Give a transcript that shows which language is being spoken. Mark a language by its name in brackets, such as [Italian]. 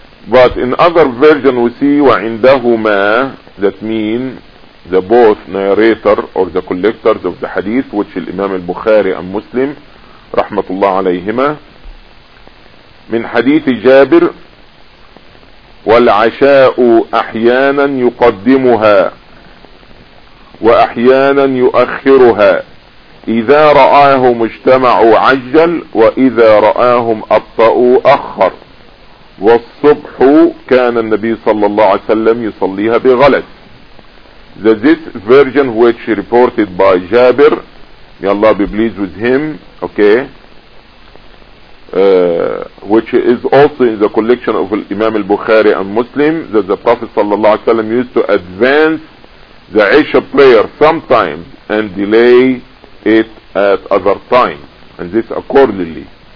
[English] But in other version we see وَعِنْدَهُمَا, that mean the both narrator or the collectors of the hadith, which is Imam al-Bukhari and Muslim rahmatullah alayhima, min hadith Jabir [Arabic] والعشاء أحيانا يقدمها وأحيانا يؤخرها إذا رآهم اجتمعوا عجل وإذا رآهم أبطأوا أخر والصبح كان النبي صلى الله عليه وسلم يصليها بغلط. [English] This version which reported by Jabir, may Allah be pleased with him, okay, which is also in the collection of Imam al-Bukhari and Muslim, that the Prophet sallallahu alaihi wasallam used to advance the Isha prayer sometimes and delay it at other times, and this accordingly.